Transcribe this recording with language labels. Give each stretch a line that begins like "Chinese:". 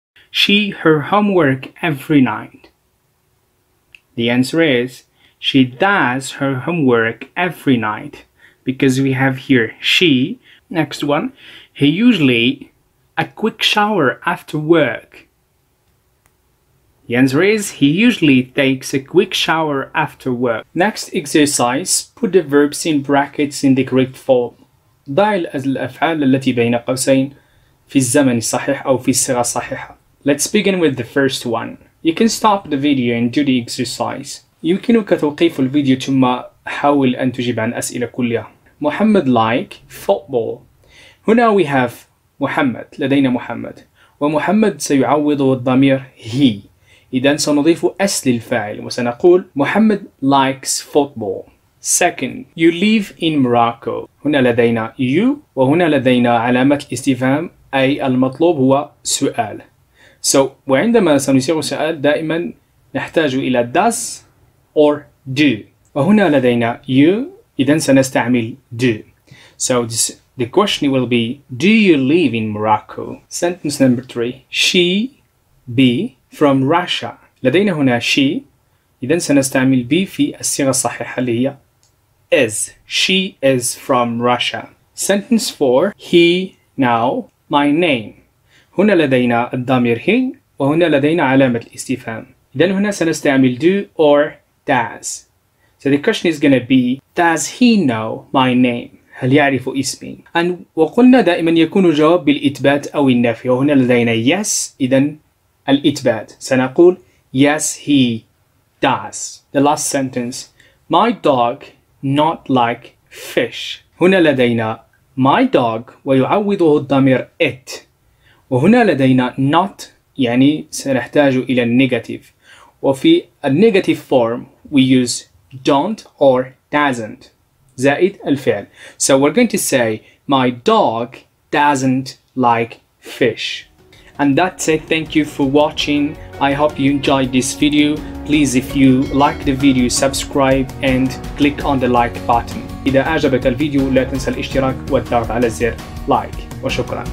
English: She her homework every night. The answer is She does her homework every night because we have here she. Next one, he usually a quick shower after work. The answer is he usually takes a quick shower after work. Next exercise, put the verbs in brackets in the correct form.
Arabic: ضع الأفعال التي بين قوسين في الزمن الصحيح أو في الصيغة الصحيحة.
English: Let's begin with the first one. You can stop the video and do the exercise.
Arabic: يمكنك توقيف الفيديو ثم حاول أن تجيب عن أسئلة كلها.
English: محمد like football.
Arabic: هنا
English: we have محمد.
Arabic: لدينا محمد. ومحمد سيعوض الضمير he. إذن سنضيف S للفاعل وسنقول محمد
English: likes football. Second, you live in Morocco.
Arabic: هنا لدينا you وهنا لدينا علامة الاستفهام أي المطلوب هو سؤال. So وعندما سنصيغ سؤال دائما نحتاج إلى does.
English: Or do.
Arabic: وهنا لدينا you. إذن سنستعمل do.
English: So this, the question will be, do you live in Morocco? Sentence number 3. She be from Russia.
Arabic: لدينا هنا she. إذن سنستعمل be في الصيغة الصحيحة اللي هي is.
English: She is from Russia. Sentence 4. He now my name.
Arabic: هنا لدينا الضمير
English: he.
Arabic: وهنا لدينا علامة الاستفهام. إذن هنا سنستعمل
English: do or Does. So the question is going to be, does he know my name?
Arabic: هل يعرف اسمي؟ And وقلنا دائما يكون جواب بالإثبات أو النفي. وهنا لدينا yes, إذن الإثبات. سنقول
English: yes, he does. The last sentence, my dog not like fish.
Arabic: هنا لدينا my dog ويعوضه الضمير it. وهنا لدينا not, يعني سنحتاج إلى النيجاتيف. وفي النيجاتيف فورم
English: we use don't or doesn't
Arabic: زائد الفعل.
English: So we're going to say my dog doesn't like fish. And that's it. Thank you for watching. I hope you enjoyed this video. Please if you like the video, subscribe and click on the like button.
Arabic: إذا أعجبك الفيديو لا تنسى الاشتراك والضغط على زر like. وشكرا.